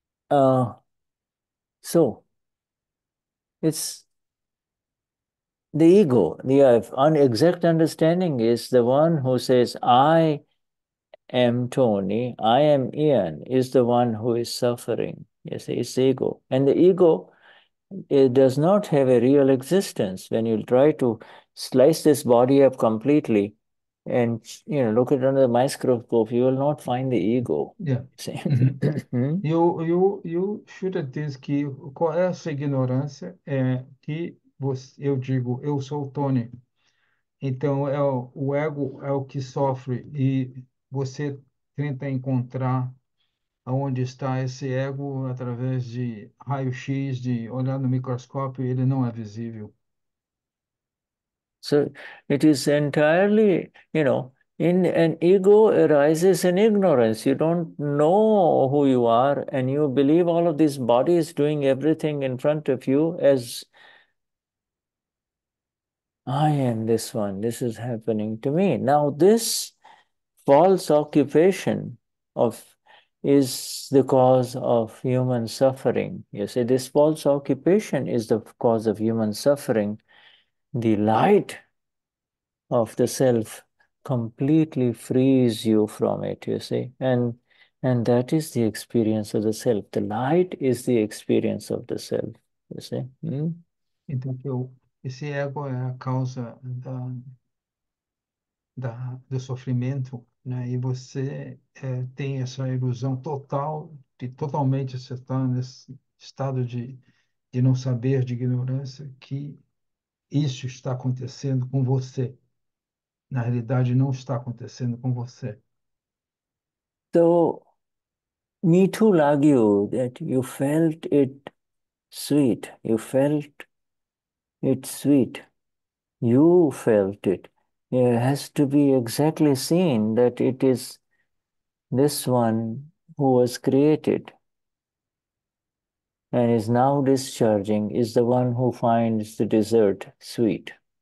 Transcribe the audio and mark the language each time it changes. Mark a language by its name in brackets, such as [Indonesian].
[English] So it's the ego, the exact understanding is the one who says, I am Tony, I am Ian, is the one who is suffering. You see, it's ego. And the ego, it does not have a real existence. When you try to slice this body up completely and, you know, look it under the microscope, you will not find the ego. [Portuguese] E o Shuddha diz que qual é essa ignorância? É que você, eu digo, eu sou o Tony. Então, o ego é o que sofre. E você tenta encontrar onde está esse ego através de raio-x, de olhar no microscópio, ele não é visível. [English] So it is entirely, you know, in an ego arises in ignorance. You don't know who you are, and you believe all of these bodies doing everything in front of you as I am this one, this is happening to me. Now, this false occupation is the cause of human suffering. You see, this false occupation is the cause of human suffering. The light of the self completely frees you from it, you see. And that is the experience of the self. The light is the experience of the self, you see. [Portuguese] Então, esse ego é a causa do sofrimento, né? E você tem essa ilusão total totalmente você está nesse estado de não saber, de ignorância, que isso está acontecendo com você. Na realidade, não está acontecendo com você. [English] So, me too, like you, that you felt it sweet. You felt it sweet. You felt it. It has to be exactly seen that it is this one who was created and is now discharging is the one who finds the dessert sweet.